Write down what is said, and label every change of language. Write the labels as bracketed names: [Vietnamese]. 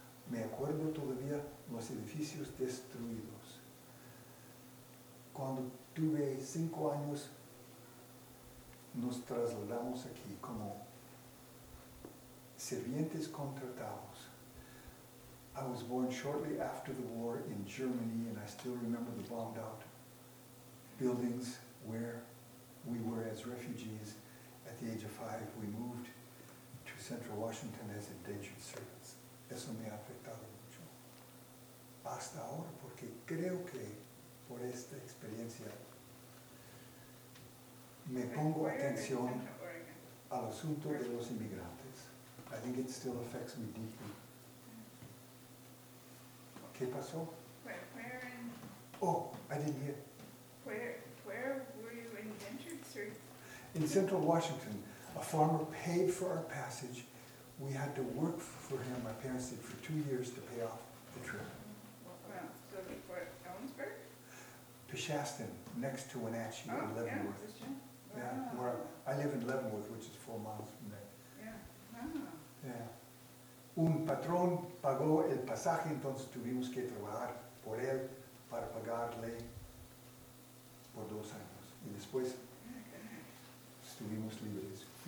[Spanish] Me acuerdo todavía los edificios destruidos. Cuando tuve 5 años, nos trasladamos aquí como sirvientes contratados. [English] I was born shortly after the war in Germany, and I still remember the bombed out buildings where we were as refugees. At the age of 5, we moved to Central Washington as indentured servants. [Spanish] Eso me ha afectado mucho. Hasta ahora, porque creo que por esta experiencia me pongo atención al asunto de los inmigrantes. [English] I think it still affects me deeply. [Spanish] ¿Qué pasó? [English] Where in... Oh, I didn't hear. Where were you indentured, sir? In Central Washington, a farmer paid for our passage. We had to work for him, my parents did, for 2 years to pay off the trip. Well, so before Ellensburg? Peshastin, next to Wenatchee, oh, in Leavenworth. Yeah, yeah, where I live in Leavenworth, which is 4 miles from there. Yeah. Oh. Yeah. [Spanish] Un patrón pagó el pasaje, entonces tuvimos que trabajar por él para pagarle por 2 años. Y después fuimos libres.